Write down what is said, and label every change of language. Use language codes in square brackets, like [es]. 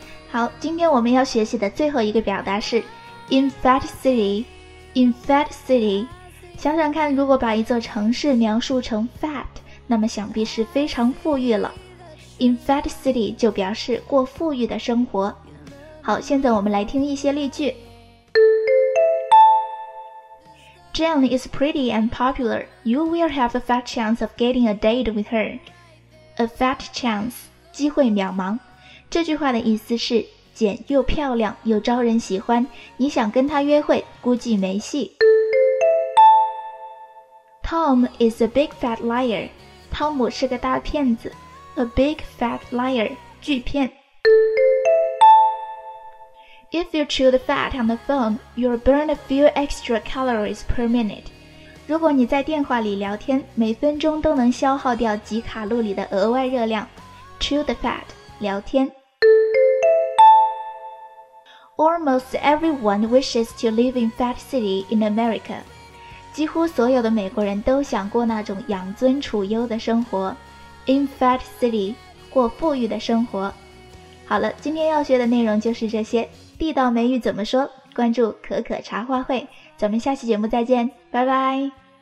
[zh] 好，今天我们要学习的最后一个表达是 [en] in fat city, in fat city。 [zh] 想想看，如果把一座城市描述成 fat,那么想必是非常富裕了。 [en] In fat city [zh] 就表示过富裕的生活。好，现在我们来听一些例句。 [en] Jen is pretty and popular. You will have a fat chance of getting a date with her. A fat chance, [zh] 机会渺茫。这句话的意思是，简又漂亮又招人喜欢，你想跟她约会估计没戏。 [en] Tom is a big fat liar. [zh] 汤姆是个大骗子， [en] A big fat liar, [zh] 巨骗。 [en] If you chew the fat on the phone, you'll burn a few extra calories per minute. [zh] 如果你在电话里聊天，每分钟都能消耗掉几卡路里的额外热量。 [en] Chew the fat, [zh] 聊天。 [en] Almost everyone wishes to live in fat city in America. [zh] 几乎所有的美国人都想过那种养尊处优的生活， [en] In fat city, [zh] 过富裕的生活。好了，今天要学的内容就是这些，地道美语怎么说，关注可可茶话会，咱们下期节目再见，拜拜。